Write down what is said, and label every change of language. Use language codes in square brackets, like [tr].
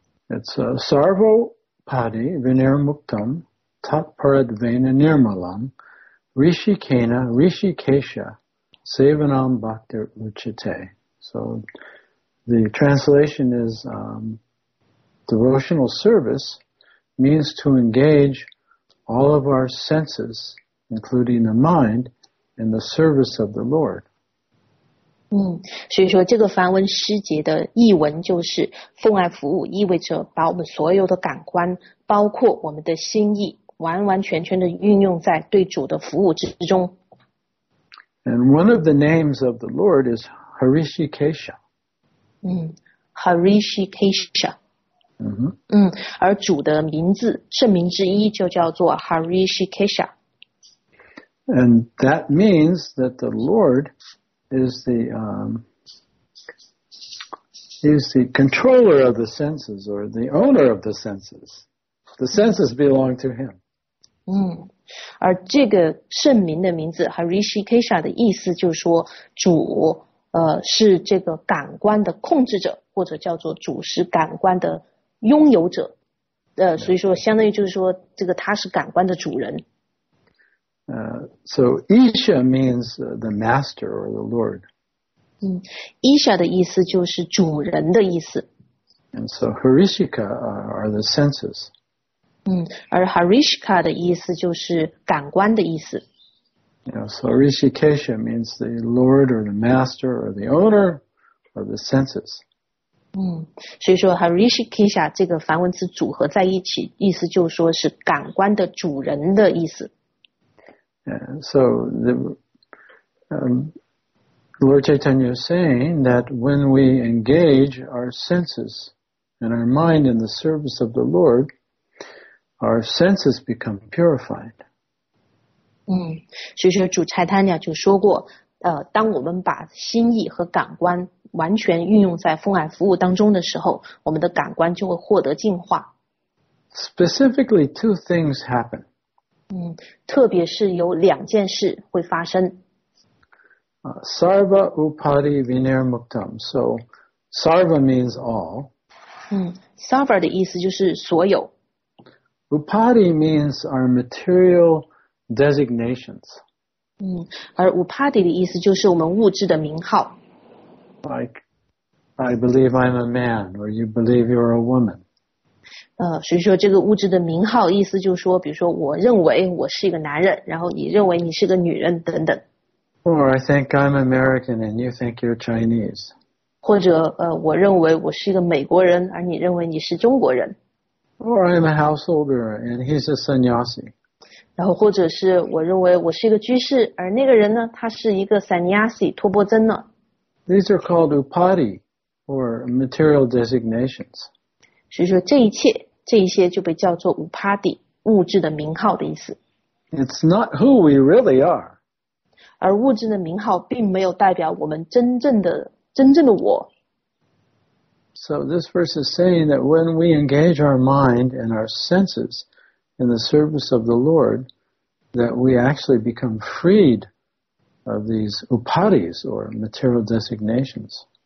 [sa] It's Sarva Padi Vinirmuktam Tat Paradvena Nirmalam Rishikena Rishikesha Sevanam Bhakti Uchite. So. [en] The translation is, devotional service means to engage all of our senses, including the mind, in the service of the Lord. [zh] 嗯，所以说这个梵文诗节的译文就是奉爱服务意味着把我们所有的感官，包括我们的心意，完完全全的运用在对主的服务之中。 [en] And one of the names of the Lord is Hrishikesha. [zh] 嗯 ，Hrishikesha。 Mm-hmm. 嗯，而主的名字，圣名之一就叫做 Hrishikesha。 [en] And that means that the Lord is the controller of the senses or the owner of the senses. The senses belong to him. [zh] 嗯，而这个圣名的名字 Hrishikesha 的意思就是说主。是这个感官的控制者，或者叫做主是感官的拥有者，所以说相当于就是说，这个他是感官的主人。 [en] So Isha means the master or the lord. [zh] 嗯 ，Isha 的意思就是主人的意思。 [en] And so Hrishika are the senses. [zh] 嗯，而 Hrishika 的意思就是感官的意思。 [en] Yeah, so Hrishikesha means the Lord or the Master or the Owner of the senses. [zh] 嗯，所以说 Hrishikesha 这个梵文词组合在一起，意思就是说是感官的主人的意思。 [en] So the Lord Chaitanya is saying that when we engage our senses and our mind in the service of the Lord, our senses become purified. [zh] 嗯，所以说主柴坦尼亚就说过，当我们把心意和感官完全运用在奉爱服务当中的时候，我们的感官就会获得净化。 [en] Specifically, two things happen. [zh] 特别是有两件事会发生。 [sa] Sarva upadhi vinir muktam. [en] So sarva means all. [zh] Sarva 的意思就是所有。 [en] Upadhi means our material designations. [zh] 而 upadhi 的意思就是我们物质的名号。 [en] Like, I believe I'm a man, or you believe you're a woman. [zh] 所以说这个物质的名号意思就是说，比如说我认为我是一个男人，然后你认为你是个女人等等。 [en] Or I think I'm American and you think you're Chinese. [zh] 或者我认为我是一个美国人，而你认为你是中国人。 [en] Or I'm a householder and he's a sannyasi. [zh] 然后或者是我认为我是一个居士，而那个人呢，他是一个 sannyasi 托钵僧呢。 [en] These are called upadhi or material designations. [zh] 所以说这一切就被叫做 upadhi 物质的名号的意思。 [en] It's not who we really are. [zh] 而物质的名号并没有代表我们真正的我。 [en] So this verse is saying that when we engage our mind and our senses in the service of the Lord, that we actually become freed of these upadhis or material designations.